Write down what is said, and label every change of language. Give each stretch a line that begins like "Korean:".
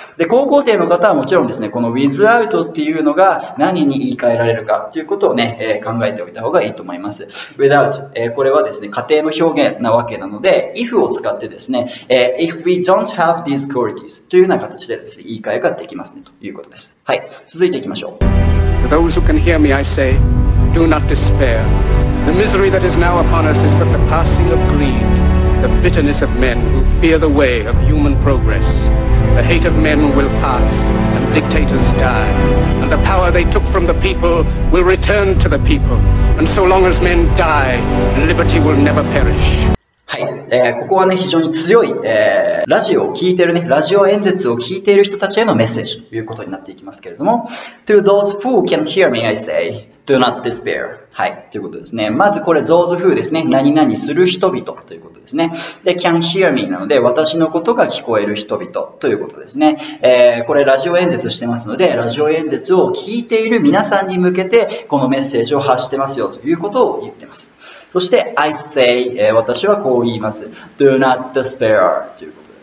Japanese: で、高校生の方はもちろんですね、この without っていうのが、何に言い換えられるかということをね、考えておいた方がいいと思います。 without、これはですね、仮定の表現なわけなので、if を使ってですね、
English: if we don't have these qualities
Japanese: というような形でですね、言い換えができますねということです。はい、続いていきましょう。
English: For those who can hear me, I say, do not despair. The misery that is now upon us is but the passing of greed, the bitterness of men who fear the way of human progress. The hate of men will pass. Dictators die, and the power they took from the people will return to the people. And so long as men die, liberty will never perish.
Japanese: はい。ここはね、非常に強い、ラジオを聞いてるね、ラジオ演説を聞いている人たちへのメッセージということになっていきますけれども。
English: To those who can't hear me, I say, do not despair.
Japanese: はい。ということですね。まずこれ、
English: those who
Japanese: ですね。何々する人々ということですね。で、
English: can't hear me
Japanese: なので、私のことが聞こえる人々ということですね。これ、ラジオ演説してますので、ラジオ演説を聞いている皆さんに向けて、このメッセージを発してますよということを言ってます。そして、
English: I say,
Japanese: 私はこう言います。
English: Do not despair
Japanese: ということで